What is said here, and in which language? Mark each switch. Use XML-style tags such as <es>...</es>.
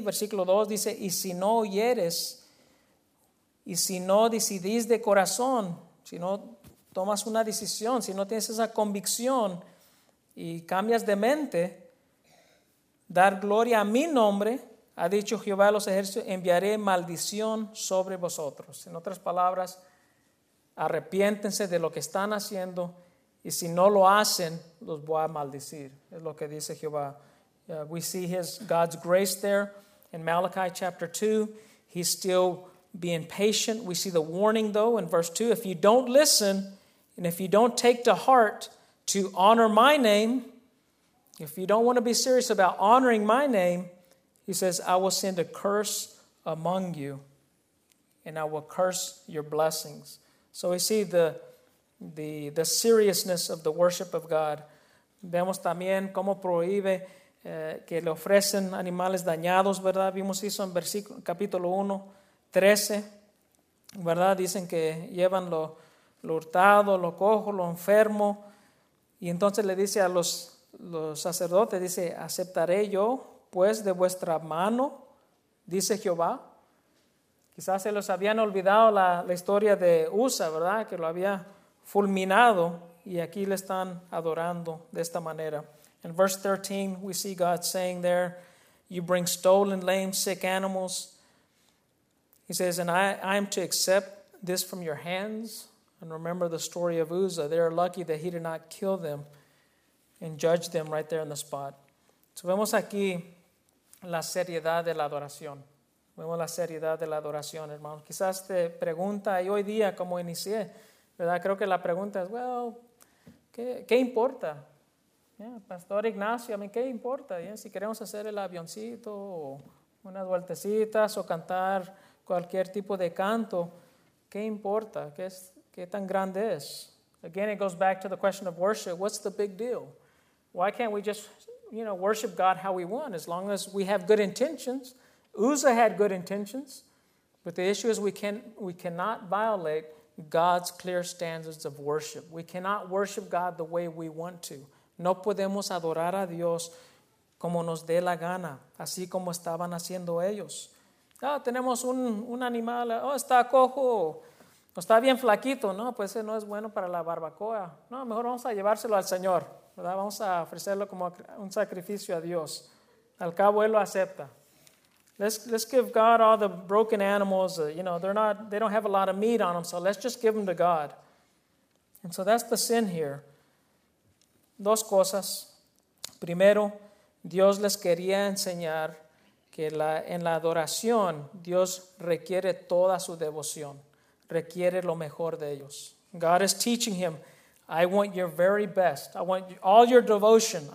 <es>Versículo 2 dice, y si no oyeres, y si no decidís de corazón, si no tomas una decisión, si no tienes esa convicción y cambias de mente, dar gloria a mi nombre, ha dicho Jehová de los ejércitos, enviaré maldición sobre vosotros. En otras palabras, arrepiéntense de lo que están haciendo y si no lo hacen, los voy a maldecir. Es lo que dice Jehová.</es> <en>We see his God's grace there in Malachi chapter 2. He's still being patient. We see the warning though in verse 2. If you don't listen and if you don't take to heart to honor my name, if you don't want to be serious about honoring my name, he says, I will send a curse among you and I will curse your blessings. So we see the seriousness of the worship of God.</en> <es>Vemos también cómo prohíbe que le ofrecen animales dañados, ¿verdad? Vimos eso en capítulo 1, 13, ¿verdad? Dicen que llevan lo hurtado, lo cojo, lo enfermo. Y entonces le dice a los sacerdotes, dice, ¿aceptaré yo pues de vuestra mano, dice Jehová? Quizás se los habían olvidado la historia de Uza, ¿verdad? Que lo había fulminado y aquí le están adorando de esta manera.</es> <en>In verse 13, we see God saying there, you bring stolen, lame, sick animals. He says, and I am to accept this from your hands. And remember the story of Uza. They are lucky that he did not kill them and judge them right there on the spot.</en> <es>So vemos aquí la seriedad de la adoración. Vemos la seriedad de la adoración, hermano. Quizás te pregunta, y hoy día como inicié, ¿verdad? Creo que la pregunta es, well, ¿qué importa? Yeah, Pastor Ignacio, a mí, ¿qué importa? Yeah, si queremos hacer el avioncito o unas vueltecitas o cantar cualquier tipo de canto, ¿qué importa? ¿Qué tan grande es?</es> <en>Again, it goes back to the question of worship. What's the big deal? Why can't we just, you know, worship God how we want, as long as we have good intentions? Uza had good intentions, but the issue is we cannot violate God's clear standards of worship. We cannot worship God the way we want to.</en> <es>No podemos adorar a Dios como nos dé la gana, así como estaban haciendo ellos. Ah, tenemos un animal, oh, está cojo, o está bien flaquito, no, pues ese no es bueno para la barbacoa. No, mejor vamos a llevárselo al Señor, ¿verdad? Vamos a ofrecerlo como un sacrificio a Dios. Al cabo, Él lo acepta.</es> <en>Let's give God all the broken animals. You know, they don't have a lot of meat on them, so let's just give them to God. And so that's the sin here.</en> <es>Dos cosas. Primero, Dios les quería enseñar que en la adoración, Dios requiere toda su devoción. Requiere lo mejor de ellos.</es> <en>God is teaching him, I want your very best. I want all your devotion.</en>